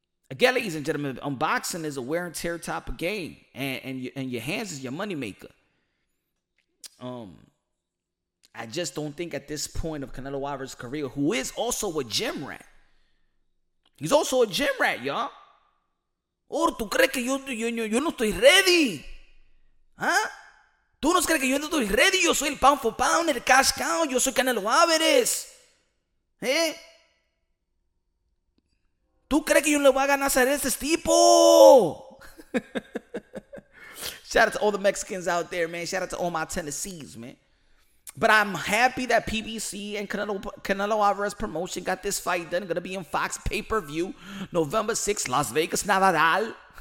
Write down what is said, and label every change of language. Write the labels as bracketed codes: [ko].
[en] Again, ladies and gentlemen, unboxing is a wear and tear type of game. And your hands is your moneymaker. I just don't think at this point of Canelo Alvarez's career, who is also a gym rat. He's also a gym rat, y'all. [es] Oh, tú crees que yo no estoy [en] ready? [es] Huh? Tú no crees que yo no estoy [en] ready? [es] Yo soy el [en] pound for pound, [es] el [en] cash cow. [es] Yo soy Canelo Alvarez. ¿Eh? ¿Tú crees que yo le voy a ganar a ese tipo? [en] Shout out to all the Mexicans out there, man. Shout out to all my Tennessees, man. But I'm happy that PBC and Canelo Alvarez promotion got this fight done. Gonna be in Fox pay-per-view November 6th, Las Vegas, Navadal.